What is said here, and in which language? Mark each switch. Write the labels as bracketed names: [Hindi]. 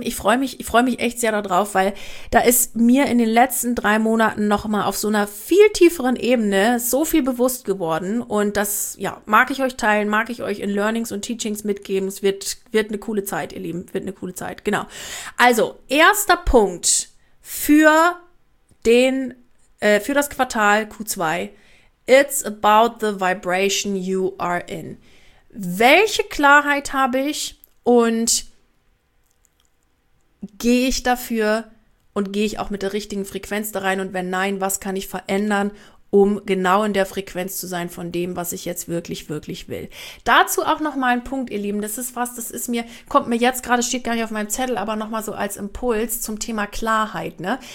[German] Ich freue mich echt sehr darauf, weil da ist mir in den letzten 3 Monaten nochmal auf so einer viel tieferen Ebene so viel bewusst geworden. Und das, ja, mag ich euch teilen, mag ich euch in Learnings und Teachings mitgeben. Es wird eine coole Zeit, ihr Lieben, wird eine coole Zeit, genau. Also, erster Punkt für das Quartal Q2. [English] It's about the vibration you are in. [German] Welche Klarheit habe ich und gehe ich dafür und gehe ich auch mit der richtigen Frequenz da rein? Und wenn nein, was kann ich verändern, um genau in der Frequenz zu sein von dem, was ich jetzt wirklich, wirklich will? Dazu auch nochmal ein Punkt, ihr Lieben. Steht gar nicht auf meinem Zettel, aber nochmal so als Impuls zum Thema Klarheit, ne?